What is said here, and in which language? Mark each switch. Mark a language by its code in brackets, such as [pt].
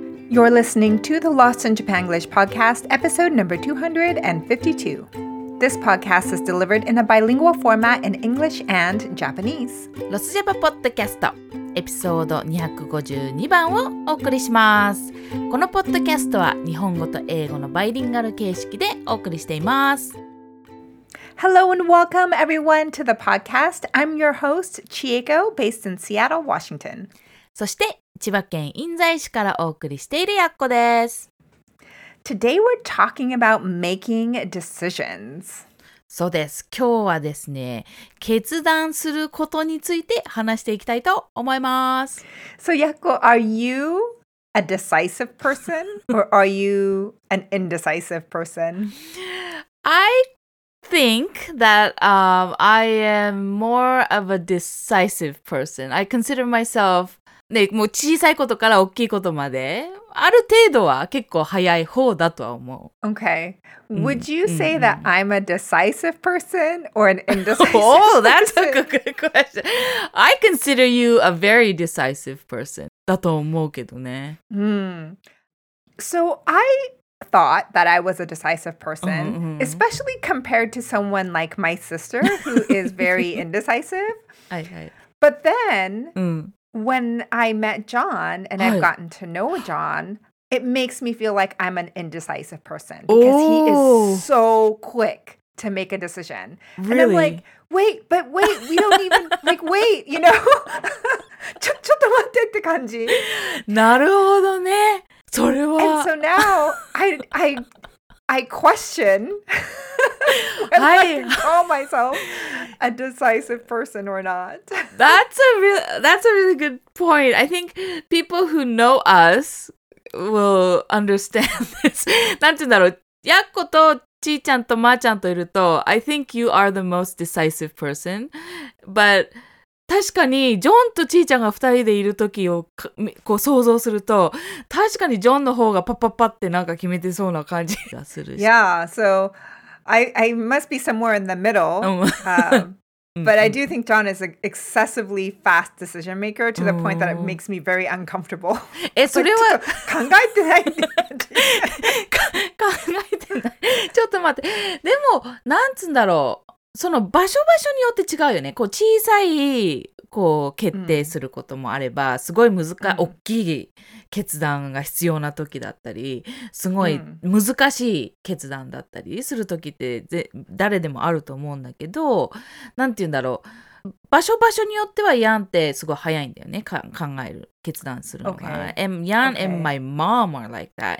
[en] You're listening to the Lost in Japanglish podcast, episode number 252. This podcast is delivered in a bilingual format in English and Japanese. [ja] ロスジャパポッドキャスト、エピソード252番をお送りします。このポッドキャストは日本語と英語のバイリンガル形式でお送りしています。 [en] Hello and welcome everyone to the podcast. I'm your host, Chieko, based in Seattle, Washington. [ja] そして千葉県印西市からお送りしているやっこです。 [en] Today we're talking about making decisions. [ja] そうです。今日はですね、決断することについて話していきたいと思います。 [en] So, Yakko, are you a decisive person or are you an indecisive person? I think that I am more of a decisive person. I consider myself... [ja] ね、もう小さいことから大きいことまである程度は結構早い方だとは思う。 [en] Okay. Would you say that I'm a decisive person or an indecisive person? Oh, that's a good question. I consider you a very decisive person [ja] だと思うけどね。 [en] So I thought that I was a decisive person, especially compared to someone like my sister who is very indecisive. But then... When I met John and I've gotten to know John, it makes me feel like I'm an indecisive person because he is so quick to make a decision. Really? And I'm like, wait, but wait, we don't even, like, wait, you know? [ja] ちょっと待ってって感じ。なるほどね。それは。 [en] And so now I question whether I can call myself a decisive person or not. That's a really good point. I think people who know us will understand this. [ja] なんて言うんだろう。やっことちーちゃんとまーちゃんといると、 [en] I think you are the most decisive person. But [ja] 確かにジョンとちーちゃんが二人でいる時をこう想像すると、確かにジョンの方がパッパッパってなんか決めてそうな感じがするし。 [en] Yeah, so... I must be somewhere in the middle, but I do think John is an excessively fast decision maker to the point that it makes me very uncomfortable. [ja] それは考えてない。考えてない。ちょっと待って。でもなんつんだろう。その場所場所によって違うよね。こう小さいこう決定することもあれば、すごい難しい大きい決断が必要な時だったり、すごい難しい決断だったりする時って誰でもあると思うんだけど、なんて言うんだろう。場所場所によってはヤンってすごい早いんだよね。考える決断するのが。 [en] Okay. And Yan and my mom are like that.